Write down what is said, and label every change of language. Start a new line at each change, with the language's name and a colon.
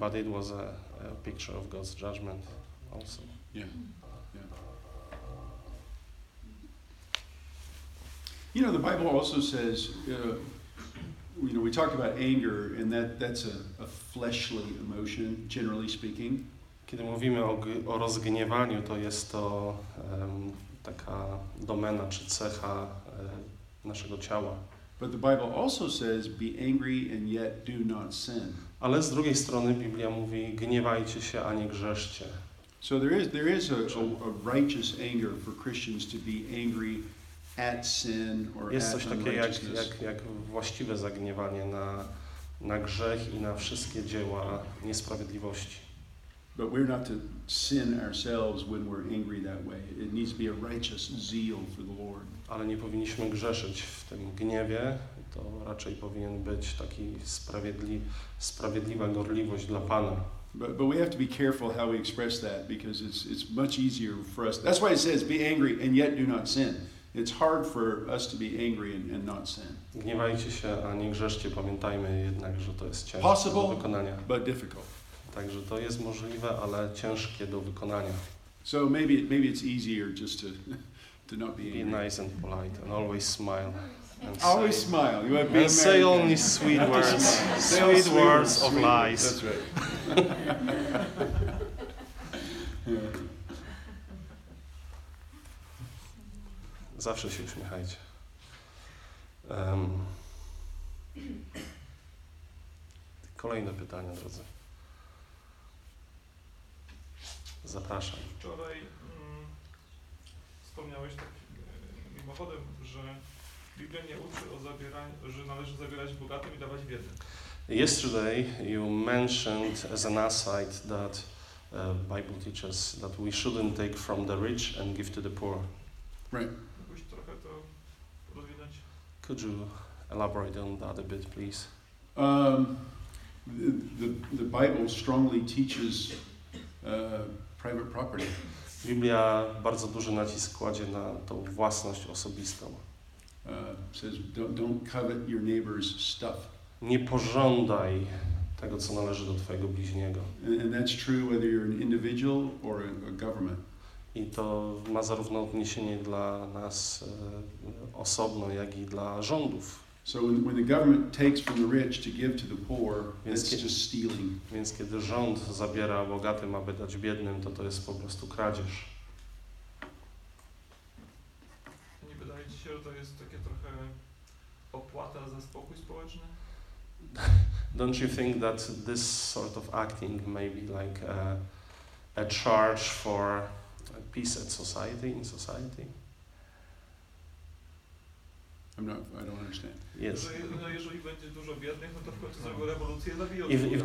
English: But it was a picture of God's judgment, also. Yeah. You know, the Bible also says, you know, we talked about anger, and that's a fleshly emotion, generally speaking.
Polish: Kiedy mówimy o rozgniewaniu, to jest to taka domena czy cecha naszego ciała.
English: But the Bible also says, be angry and yet do not sin.
Polish: Ale z drugiej strony Biblia mówi, gniewajcie się, a nie grzeszcie.
English: So there is a righteous anger for Christians to be angry at sin or
Polish: at. Jest coś takiego jak właściwe zagniewanie na grzech i na wszystkie dzieła niesprawiedliwości.
English: But we're not to sin ourselves when we're angry that way. It needs to be a righteous zeal for the Lord.
Polish: Ale nie powinniśmy grzeszyć w tym gniewie. To raczej powinien być taki sprawiedliwa gorliwość dla Pana.
English: But we have to be careful how we express that, because it's much easier for us. That's why it says, be angry and yet do not sin. It's hard for us to be angry and not sin.
Polish: Gniewajcie się, a nie grzeszcie. Pamiętajmy jednak, że to jest ciężkie
English: possible,
Polish: do wykonania.
English: But difficult.
Polish: Także to jest możliwe, ale ciężkie do wykonania.
English: So maybe it's easier just to not be angry. Be nice and polite and always smile. And always say, smile. You have been and say only sweet words. Sweet words of lies. That's right.
Polish: Zawsze się uśmiechajcie. Kolejne pytania, drodzy. Zapraszam. Wczoraj wspomniałeś tak mimochodem, że Biblia nie uczy o zabieraniu, że należy zabierać bogatym i dawać biednym.
English: Yesterday you mentioned as an aside that Bible teaches that we shouldn't take from the rich and give to the poor. Right.
Polish: Mógłbyś trochę to rozwinąć?
English: Could you elaborate on that a bit, please? The Bible strongly teaches private property.
Polish: Biblia bardzo duży nacisk kładzie na tą własność osobistą.
English: Says don't covet your neighbor's stuff.
Polish: Nie pożądaj tego, co należy do twojego bliźniego.
English: And that's true whether you're an individual or a government.
Polish: I to ma zarówno odniesienie dla nas osobno, jak i dla rządów.
English: So when the government takes from the rich to give to the poor, it's just stealing.
Polish: Więc kiedy rząd zabiera bogatym, aby dać biednym, to jest po prostu kradzież. Nie wydaje ci się, że to jest takie trochę opłata za spokój społeczny?
English: Don't you think that this sort of acting may be like a charge for peace in society? I don't understand. Yes. If